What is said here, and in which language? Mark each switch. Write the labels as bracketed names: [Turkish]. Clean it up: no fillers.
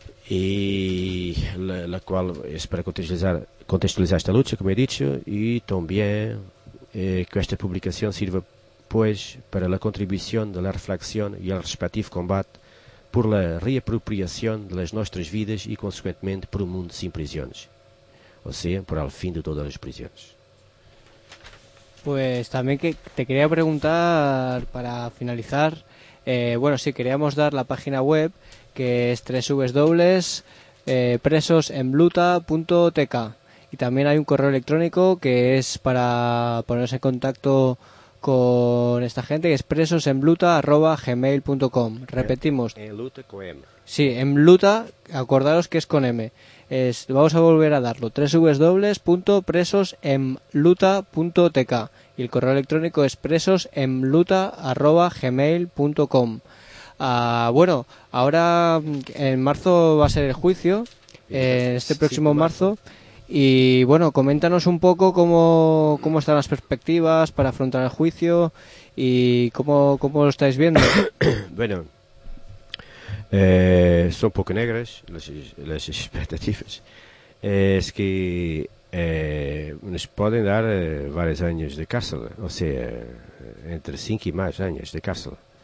[Portuguese] e la qual espero contextualizar esta luta, [Spanish] como he dicho, [Portuguese] e também que esta publicação sirva, pois, para a contribuição da reflexão e ao respectivo combate por la reapropriação das nossas vidas e, consequentemente, por um mundo sem prisões, ou seja, por ao fim de todas as prisões. [Spanish] Pues también que te quería preguntar para finalizar, bueno, sí, queríamos dar la página web, que es www.presosenluta.tk, y también hay un correo electrónico que es para ponerse en contacto con esta gente, que es presosenluta@gmail.com. Repetimos. En luta con M. Sí, en luta, acordaros que es con M. Vamos a volver a darlo, www.presosenluta.tk, y el correo electrónico es presosenluta@gmail.com. Bueno, ahora en marzo va a ser el juicio, este próximo marzo, y bueno, coméntanos un poco cómo están las perspectivas para afrontar el juicio y cómo lo estáis viendo. [Portuguese] Bueno, são um pouco negras as expectativas. Es que nos podem dar vários anos de cárcel, ou seja, entre 5 e mais anos de cárcel.